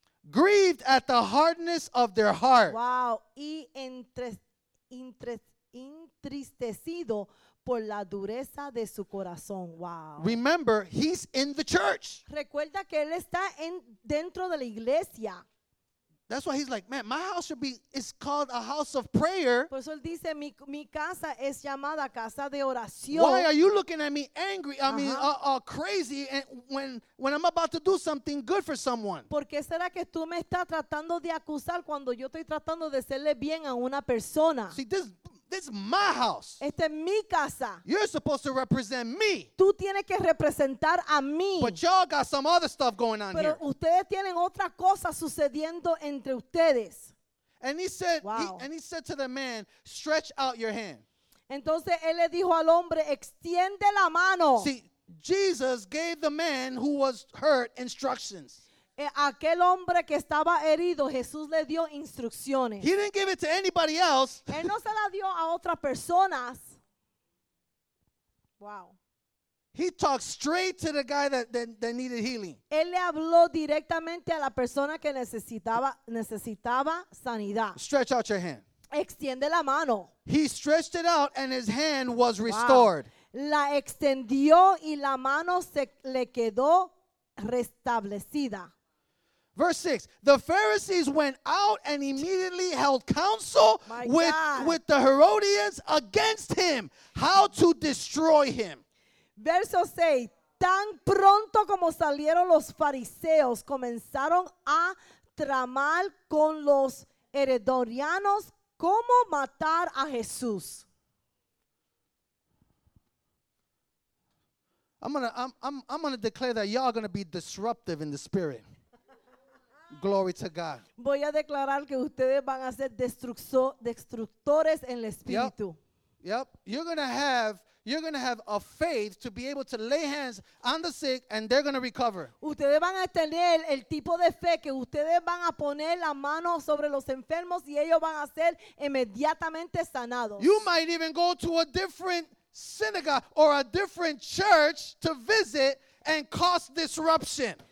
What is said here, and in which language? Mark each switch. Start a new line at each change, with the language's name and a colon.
English: Grieved at the hardness of their heart. Wow.
Spanish: Y entristecido por la dureza de su corazón.
English: Wow. Remember, he's in the church.
Spanish: Recuerda que él está dentro de la iglesia.
English: That's why he's like, man, my house should be, it's called a house of prayer.
Spanish: Por eso él dice, mi casa es llamada casa de oración.
English: Why are you looking at me angry, crazy, and when I'm about to do something good for someone?
Spanish: ¿Por qué será que tú me estás tratando de acusar cuando yo estoy tratando de hacerle bien a una persona?
English: See, this is my house.
Spanish: Esta es mi casa.
English: You're supposed to represent me.
Spanish: Tú tienes que representar a mí.
English: But y'all got some other stuff going on
Spanish: Pero Pero ustedes tienen otra cosa sucediendo entre ustedes.
English: And he said, and he said to the man, stretch out your hand.
Spanish: Entonces él le dijo al hombre, extiende la mano.
English: See, Jesus gave the man who was hurt instructions.
Spanish: Aquel hombre que estaba herido, Jesús le dio instrucciones.
English: He didn't give it to anybody else.
Spanish: Él no se la dio a otras personas.
English: Wow. He talked straight to the guy that needed healing.
Spanish: Él le habló directamente a la persona que necesitaba sanidad.
English: Stretch out your hand.
Spanish: Extiende la mano.
English: He stretched it out and his hand was restored. Wow.
Spanish: La extendió y la mano se le quedó restablecida.
English: Verse 6, the Pharisees went out and immediately held counsel with the Herodians against him, how to destroy him.
Spanish: Verso 6, tan pronto como salieron los fariseos, comenzaron a tramar con los herodianos cómo matar a Jesús.
English: I'm gonna declare that y'all are gonna be disruptive in the spirit. Glory to God.
Spanish: Voy a declarar que ustedes van a ser destructores en el espíritu.
English: Yep. You're gonna have a faith to be able to lay hands on the sick and they're gonna recover.
Spanish: Ustedes van a tener el tipo de fe que ustedes van a poner la mano sobre los enfermos y ellos van a ser inmediatamente sanados.
English: You might even go to a different synagogue or a different church to visit and cause disruption.